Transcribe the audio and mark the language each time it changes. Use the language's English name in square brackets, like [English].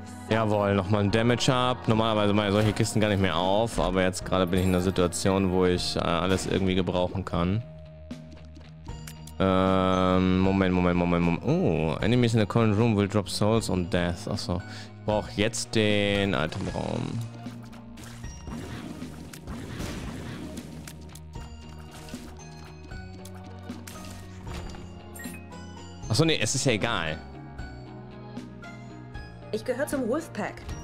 [German] Jawohl, nochmal ein Damage ab. Normalerweise mache ich solche Kisten gar nicht mehr auf, aber jetzt gerade bin ich in einer Situation, wo ich alles irgendwie gebrauchen kann. Moment. [English] Oh, Enemies in the current room will drop souls on death. [German] Achso, ich brauche jetzt den Itemraum. Achso, nee, es ist ja egal. Ich gehöre zum Wolfpack.